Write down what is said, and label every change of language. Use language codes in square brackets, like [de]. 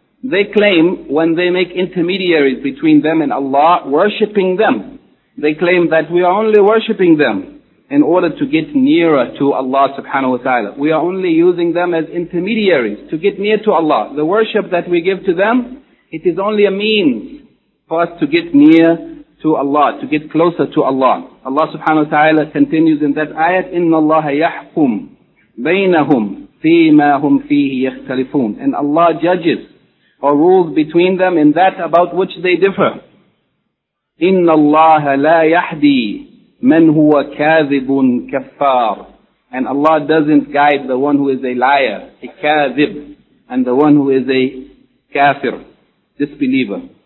[en] They claim when they make intermediaries between them and Allah, worshipping them, they claim that we are only worshipping them in order to get nearer to Allah subhanahu wa ta'ala. We are only using them as intermediaries to get near to Allah. The worship that we give to them, it is only a means for us to get near to Allah, to get closer to Allah. [ar] Allah subhanahu wa ta'ala continues in that ayat, إِنَّ اللَّهَ يَحْكُمْ بَيْنَهُمْ فِي مَا هُمْ فِيهِ يَخْتَلِفُونَ. [en] And Allah judges or rules between them in that about which they differ. [ar] إِنَّ اللَّهَ لَا يَحْدِي مَنْ هُوَ كَاذِبٌ كَفَّارٌ. [en] And Allah doesn't guide the one who is a liar, a kazib, and the one who is a kafir, disbeliever.